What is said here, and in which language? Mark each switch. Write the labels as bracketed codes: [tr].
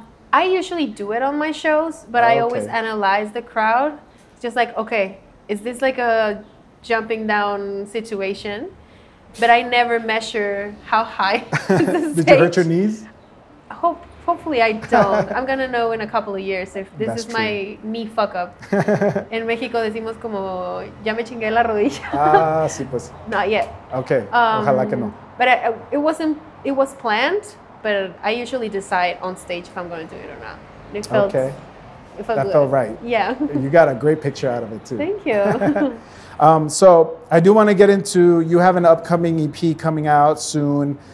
[en] I usually do it on my shows, but okay. I always analyze the crowd. Just like, okay, is this like a jumping down situation? But I never measure how high the stage. Did you hurt your knees? Hopefully I don't. I'm going to know in a couple of years if this That's is true. My knee fuck up. [es] En México decimos como, ya me chingué la rodilla. Ah, sí, pues. [en] Not yet. [es] Okay, ojalá que no. [en] But it was planned, but I usually decide on stage if I'm going to do it or not. It felt right. Yeah. You got a great picture out of it, too. Thank you. So I do want to get into, you have an upcoming EP coming out soon.